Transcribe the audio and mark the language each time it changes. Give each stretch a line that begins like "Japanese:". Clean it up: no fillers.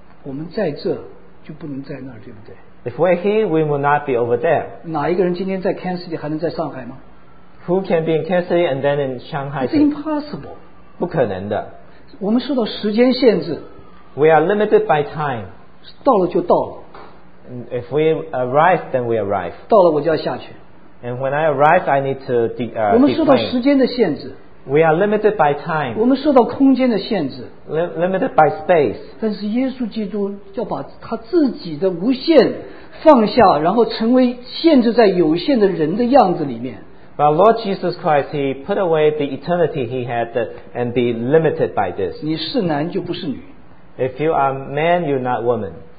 Chinese: 我们在这就不能在那儿，对不对？
English: If we're here, we will not be over there.
Chinese: 哪一个人今天在Kansas City还能在上海吗？
English: Who can be in Kansas City and then in Shanghai? It's impossible.
Chinese: 不可能的。我们受到时间限制。
English: We are limited by time.
Chinese: 到了就到了。
English: If we arrive, then we arrive.
Chinese: 到了我就要下去。
English: And when I arrive, I need to decline.
Chinese: 我们受到时间的限制。
English: We are limited by time.
Chinese: 我们受到空间的限制。
English: Limited by space.
Chinese: 但是耶稣基督要把他自己的无限放下， 然后成为限制在有限的人的样子里面。
English: But Lord Jesus Christ, He put away the eternity He had and be limited by this.
Chinese: 你是男就不是女。
English: If you are man, you're not woman.